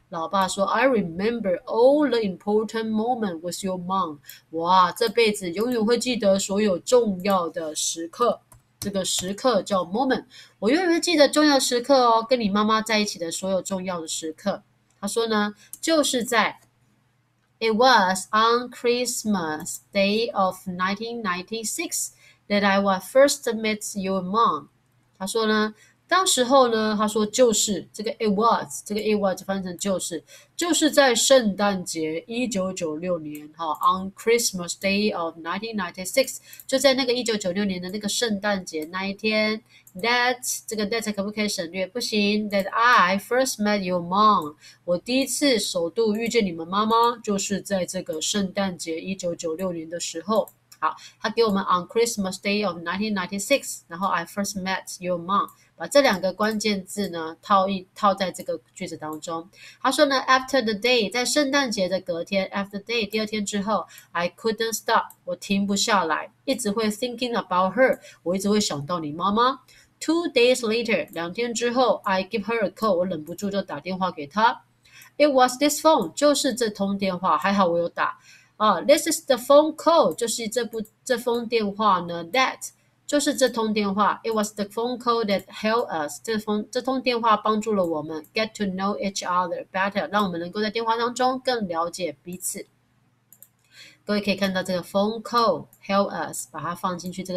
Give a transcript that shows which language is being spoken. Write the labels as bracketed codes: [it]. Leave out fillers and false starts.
[zh] 老爸说， [en] I remember all the important moment with your mom。 [zh] 哇，这辈子永远会记得所有重要的时刻。这个时刻叫 moment，我永远会记得重要时刻哦，跟你妈妈在一起的所有重要的时刻。他说呢，就是在。 [en] It was on Christmas Day of 1996。 That I was first met your mom， [zh] 他说呢，当时候呢，他说就是这个 it was，这个 it was 翻成就是在圣诞节1996年，哈， [en] on Christmas Day of 1996， [zh] 就在那个1996年的那个圣诞节那一天，that 这个 that 可不可以省略？不行， [en] that I first met your mom， [zh] 我第一次首度遇见你们妈妈，就是在这个圣诞节1996年的时候。好，他给我们 [en] on Christmas Day of 1996， [zh] 然后 [en] I first met your mom， [zh] 把这两个关键字呢套在这个句子当中。他说呢， [en] after the day， [zh] 在圣诞节的隔天，after day 第二天之后， [en] I couldn't stop， [zh] 我停不下来，一直会 [en] thinking about her， [zh] 我一直会想到你妈妈。 [en] Two days later， [zh] 两天之后， [en] I give her a call， [zh] 我忍不住就打电话给她。 [en] It was this phone， [zh] 就是这通电话，还好我有打。 [en] 啊，this is the phone call， [zh] 就是这封电话呢。 That 就是这通电话。 [en] It was the phone call that helped us， [zh] 这通电话帮助了我们 [en] get to know each other better， [zh] 让我们能够在电话当中更了解彼此。各位可以看到这个 [en] phone call help us [zh] 把它放进去这个。